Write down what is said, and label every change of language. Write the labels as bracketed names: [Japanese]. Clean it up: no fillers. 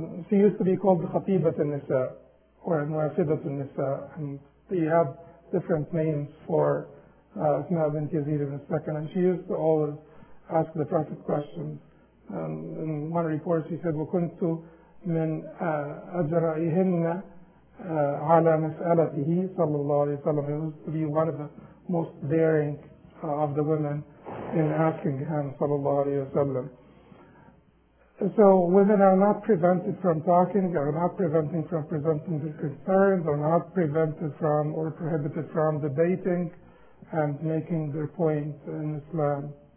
[English] She used to be called the Khatibat al-Nisa, or Nuafidat al-Nisa, and they have different names for Asma bint Yazid ibn al-Sakan, and she used to always ask the Prophet questions. In one report she said, [Arabic] وَكُنْتُ مِنْ أَجْرَئِهِنَّ عَلَى مَسْأَلَتِهِ صلى الله عليه وسلم. [English] It was to be one of the most daring of the women in asking him, [Arabic] صلى الله عليه وسلم. [English] So women are not prevented from talking, are not prevented from presenting their concerns, are not prevented from or prohibited from debating and making their point in Islam.